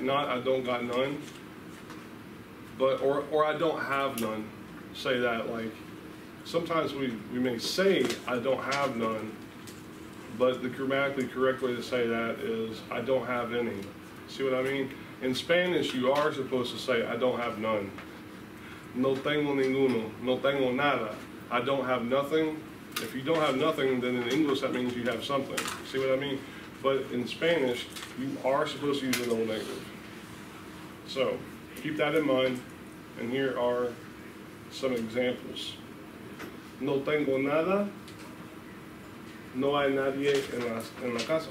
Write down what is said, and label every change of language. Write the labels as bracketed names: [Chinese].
[English] Not I don't got none, but or I don't have none. Say that, like, sometimes we may say I don't have none, but the grammatically correct way to say that is I don't have any. See what I mean? In Spanish, you are supposed to say I don't have none. [Spanish] No tengo ninguno, no tengo nada. [English] I don't have nothing. If you don't have nothing, then in English that means you have something. See what I mean? But in Spanish, you are supposed to use a double negative. So, keep that in mind, and here are some examples. [Spanish] No tengo nada. No hay nadie en la casa.